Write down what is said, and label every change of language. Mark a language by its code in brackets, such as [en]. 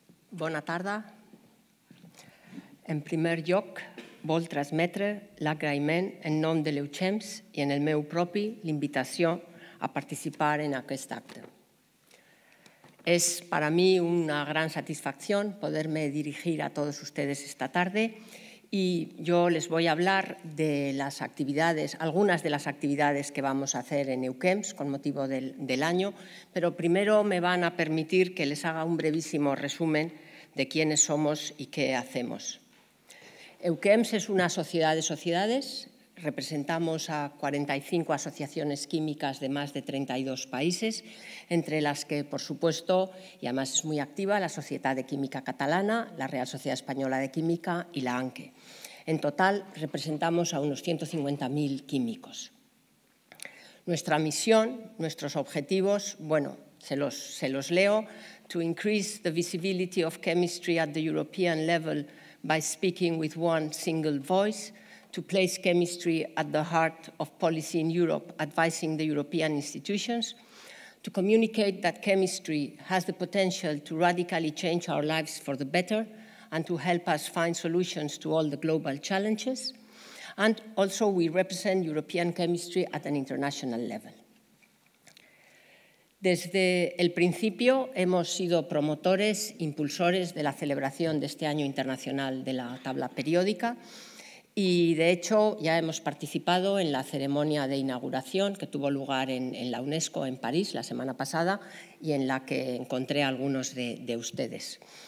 [ca] Bona tarda. En primer lloc, vol transmetre l'agraïment en nom de Leukems i en el meu propi l'invitació a participar en aquest acte. [es] Es para mí una gran satisfacción poderme dirigir a todos ustedes esta tarde y yo les voy a hablar de las actividades, algunas de las actividades que vamos a hacer en EUKEMS con motivo del año, pero primero me van a permitir que les haga un brevísimo resumen de quiénes somos y qué hacemos. EUKEMS es una sociedad de sociedades, representamos a 45 asociaciones químicas de más de 32 países, entre las que, por supuesto, y además es muy activa, la Sociedad de Química Catalana, la Real Sociedad Española de Química y la ANQUE. En total, representamos a unos 150.000 químicos. Nuestra misión, nuestros objetivos, bueno, se los leo, [en] to increase the visibility of chemistry at the European level by speaking with one single voice, to place chemistry at the heart of policy in Europe, advising the European institutions, to communicate that chemistry has the potential to radically change our lives for the better and to help us find solutions to all the global challenges, and also we represent European chemistry at an international level. [es] Desde el principio hemos sido promotores, impulsores de la celebración de este año internacional de la tabla periódica, y de hecho ya hemos participado en la ceremonia de inauguración que tuvo lugar en la UNESCO en París la semana pasada y en la que encontré a algunos de ustedes.